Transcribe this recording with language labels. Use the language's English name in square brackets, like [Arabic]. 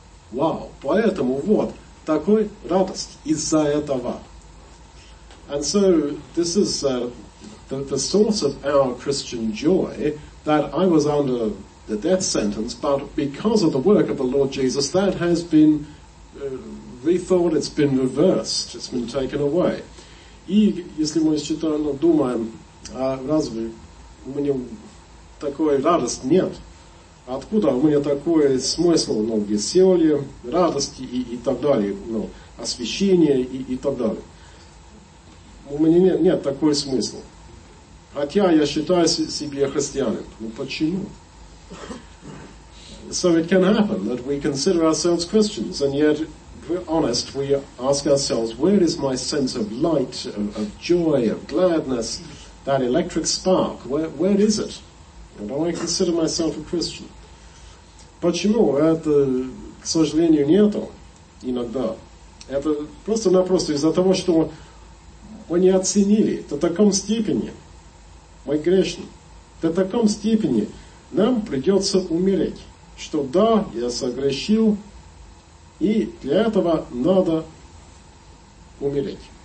[Russian] Вау, поэтому вот такой радость из-за этого. [English] And so this is the source of our Christian joy, that I was under the death sentence, but because of the work of the Lord Jesus, that has been rethought, it's been reversed, it's been taken away. [Russian] И если мы считаем, думаем, а разве у меня такой радости нет? Откуда у меня такой смысл, ну, веселье, радости и так далее, ну, освящение и так далее? У меня нет такой смысла. Хотя я считаю себя христианином. Ну, почему? [English] So it can happen that we consider ourselves Christians, and yet, if we're honest, we ask ourselves, where is my sense of light, of joy, of gladness, that electric spark, where is it? Do I consider myself a Christian? [Russian] Почему это, к сожалению, нету иногда? Это просто-напросто из-за того, что мы не оценили до такой степени, мы грешны, до такой степени нам придется умереть, что да, я согрешил, и для этого надо умереть.